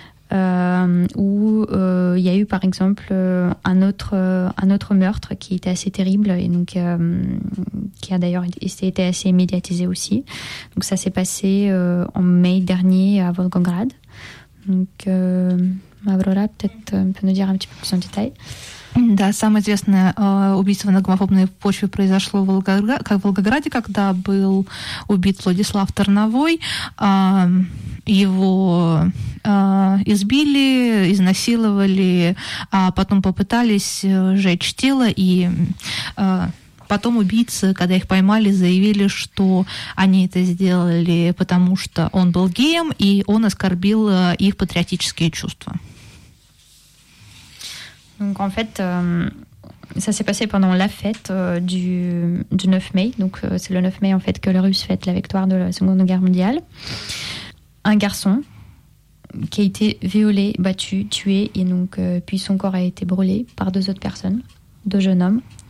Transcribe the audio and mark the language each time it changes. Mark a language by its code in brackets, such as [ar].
[fr] Il y a eu par exemple un autre meurtre qui était assez terrible, et donc qui a d'ailleurs été assez médiatisé aussi. Donc ça s'est passé en mai dernier à Volgograd. Donc Аврора, peut-être peut nous dire un petit peu plus en détail. [ru] Да, самое известное убийство на гомофобной почве произошло в Волгограде, когда был убит Владислав Тарновой. Его избили, изнасиловали, а потом попытались сжечь тело, и потом убийцы, когда их поймали, заявили, что они это сделали, потому что он был геем, и он оскорбил их патриотические чувства. [fr] Donc en fait, ça s'est passé pendant la fête du 9 mai. Donc c'est le 9 mai en fait que les Russes fêtent la victoire de la Seconde Guerre mondiale. Un garçon qui a été violé, battu, tué, et donc puis son corps a été brûlé par deux autres personnes, deux jeunes hommes.